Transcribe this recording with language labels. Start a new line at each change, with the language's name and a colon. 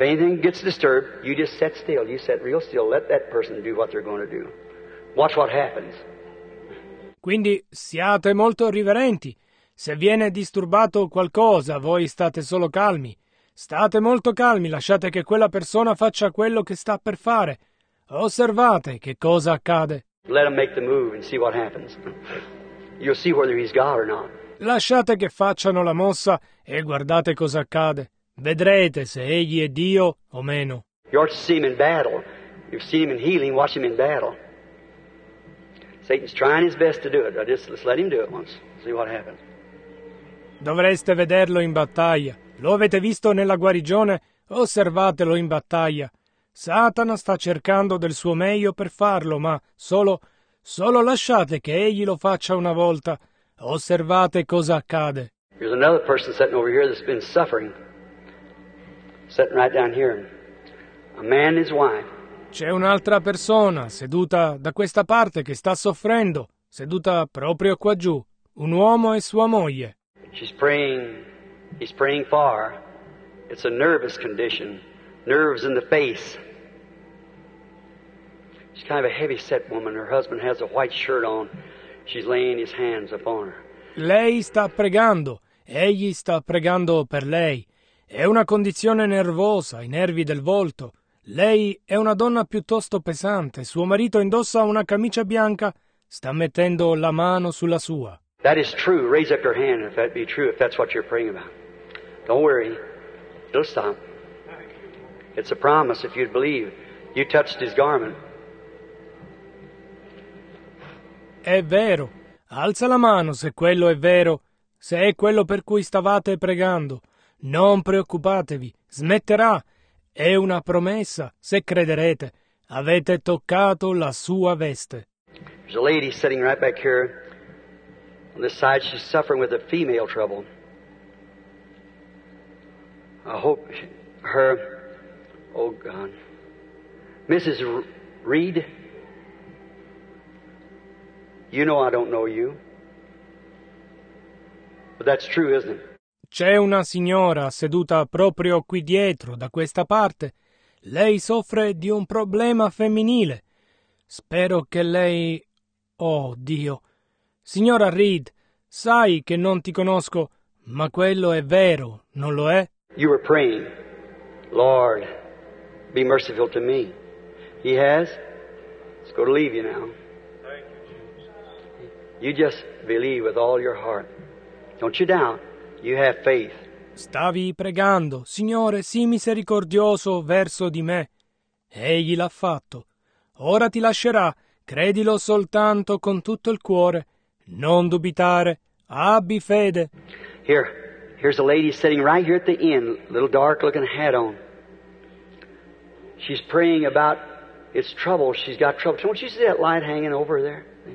English: If anything gets disturbed, you just sit still. You sit real still. Let that person do what they're going to do. Watch what happens.
Italian: Quindi, siate molto riverenti. Se viene disturbato qualcosa, voi state solo calmi. State molto calmi, lasciate che quella persona faccia quello che sta per fare. Osservate che cosa accade.
English: Let him make the move and see what happens. You'll see whether he's God or not.
Italian: Lasciate che facciano la mossa e guardate cosa accade. Vedrete se egli è Dio o meno.
English: You ought to see him in battle. You've seen him in healing, watch him in battle. Satan's trying his best to do it. Let's let him do it once. See what happens.
Italian: Dovreste vederlo in battaglia. Lo avete visto nella guarigione? Osservatelo in battaglia. Satana sta cercando del suo meglio per farlo, ma solo lasciate che egli lo faccia una volta. Osservate cosa accade.
English: There's another person sitting over here that's been suffering. Sitting right down here. A man and his wife.
Italian: C'è un'altra persona seduta da questa parte che sta soffrendo, seduta proprio qua giù. Un uomo e sua moglie.
English: She's praying. He's praying far. It's a nervous condition. Nerves in the face. She's kind of a heavy-set woman. Her husband has a white shirt on. She's laying his hands upon her.
Italian: Lei sta pregando. Egli sta pregando per lei. È una condizione nervosa, i nervi del volto. Lei è una donna piuttosto pesante. Suo marito indossa una camicia bianca. Sta mettendo la mano sulla sua.
English: That is true. Raise up your hand if that be true, if that's what you're praying about. Don't worry. It'll stop. It's a promise if you'd believe. You touched his garment.
Italian: È vero. Alza la mano se quello è vero. Se è quello per cui stavate pregando. Non preoccupatevi. smetterà. È una promessa, se crederete. Avete toccato la sua veste.
English: There's a lady sitting right back here on this side. She's suffering with a female trouble. I hope her, oh God, Mrs. Reed, you know I don't know you, but that's true, isn't it?
Italian: C'è una signora seduta proprio qui dietro, da questa parte. Lei soffre di un problema femminile. Spero che lei... Oh, Dio! Signora Reed, sai che non ti conosco, ma quello è vero, non lo è?
English: You were praying, Lord, be merciful to me. He has. It's going to leave you now. Thank you, Jesus. You just believe with all your heart. Don't you doubt. You have faith.
Italian: Stavi pregando, Signore, sii misericordioso verso di me. Egli l'ha fatto. Ora ti lascerà. Credilo soltanto con tutto il cuore. Non dubitare. Abbi fede.
English: Here, here's a lady sitting right here at the end, little dark-looking hat on. She's praying about its trouble. She's got trouble. Don't you see that light hanging over there?